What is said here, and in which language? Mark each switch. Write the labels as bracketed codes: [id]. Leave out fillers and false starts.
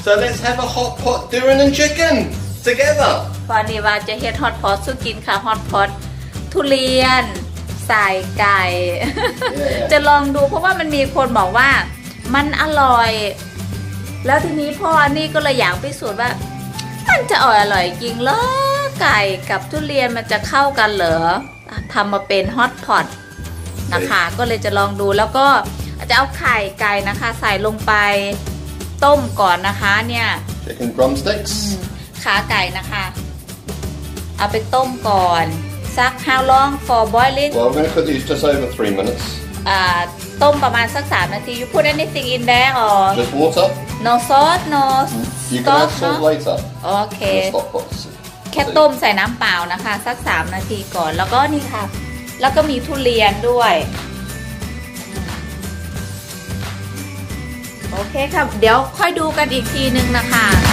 [en] So let's have a hot pot durian and chicken together! [th] วันนี้ว่าจะเฮ็ดฮอตพอตสุกินค่ะฮอตพอตทุเรียนใส่ไก่ [en] yeah. [th] จะลองดูเพราะว่ามันมีคนบอกว่ามันอร่อยแล้วทีนี้พ่อนี่ก็เลยอยากพิสูจน์ว่ามันจะอร่อยจริงเหรอไก่กับทุเรียนมันจะเข้ากันเหรอทำมาเป็นฮอตพอตนะคะ hey. ก็เลยจะลองดูแล้วก็จะเอาไข่ไก่นะคะใส่ลงไปต้มก่อนนะคะเนี่ย [en] chicken drumsticks [th] ขาไก่นะคะเอาไปต้มก่อนสัก [en] how long for boiling well I'm going to cook these just over 3 minutes [th] ต้มประมาณสัก3นาที [en] you put anything in there or just water no salt no you can add salt later [th] okay แค่ต้มใส่น้ำเปล่านะคะสัก3นาทีก่อนแล้วก็นี่ค่ะแล้วก็มีทุเรียนด้วยโอเคค่ะเดี๋ยวค่อยดูกันอีกทีนึงนะคะ